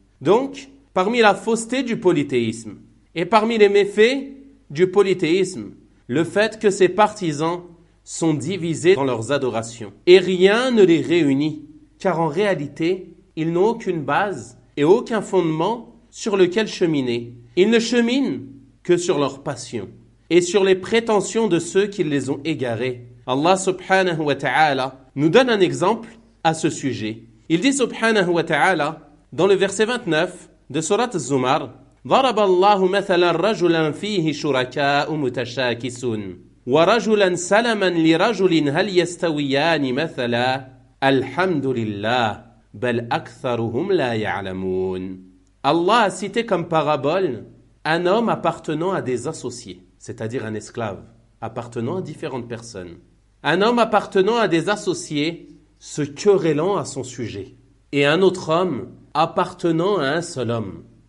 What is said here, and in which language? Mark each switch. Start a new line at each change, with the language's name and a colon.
French: Donc, parmi la fausseté du polythéisme et parmi les méfaits du polythéisme, le fait que ses partisans sont divisés dans leurs adorations et rien ne les réunit, car en réalité, ils n'ont aucune base et aucun fondement sur lequel cheminer. Ils ne cheminent que sur leurs passions et sur les prétentions de ceux qui les ont égarés. Allah subhanahu wa ta'ala nous donne un exemple à ce sujet. Il dit subhanahu wa ta'ala dans le verset 29 de sourate Az-Zumar,
Arabic: ضَرَبَ اللَّهُ مَثَلًا رَجُلًا فِيهِ شُرَكَاءُ مُتَشَاكِسٌ وَرَجُلًا سَلَمًا لِرَجُلٍ هَلْ يَسْتَوِيَانِ مَثَلًا الْحَمْدُ لِلَّهِ بَلْ أَكْثَرُهُمْ لَا يَعْلَمُونَ.
French: Allah a cité comme parabole un homme appartenant à des associés, c'est-à-dire un esclave, appartenant à différentes personnes. Un homme appartenant à des associés se querellant à son sujet. Et un autre homme appartenant à un seul homme,